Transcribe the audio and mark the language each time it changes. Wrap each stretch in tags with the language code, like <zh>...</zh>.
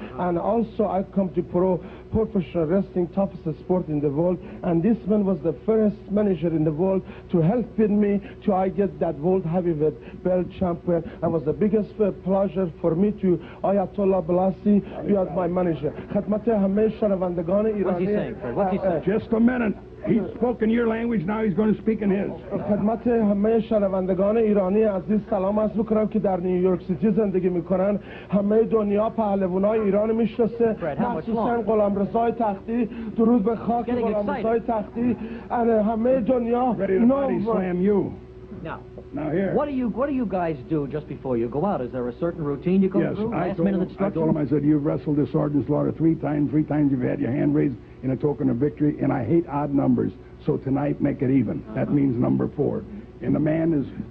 <en>And also I come to pro professional wrestling, toughest sport in the world, and this man was the first manager in the world to help me to I get that world heavyweight belt champion. And was the biggest pleasure for me to Ayatollah Blassie be as my manager. What's he saying, Fred? Just a minute. He spoke in your language, now he's going to speak in his.</en> <fa>خدمت همه شنوندگان ایرانی عزیز سلام عرض می‌کنم که در نیویورک سیتی زندگی می‌کنن همه دنیا پهلوانای ایران می‌شناسه خصوصاً غلامرضای تختی درود به خاک غلامرضای تختی همه دنیا</fa> <en>نو Now here. What do you guys do just before you go out? Is there a certain routine you go yes, through? Yes, I told him. I told him. I said, you've wrestled this Sergeant Slaughter three times. Three times you've had your hand raised in a token of victory, and I hate odd numbers. So tonight, make it even. Uh-huh. That means number four. And the man is.</en>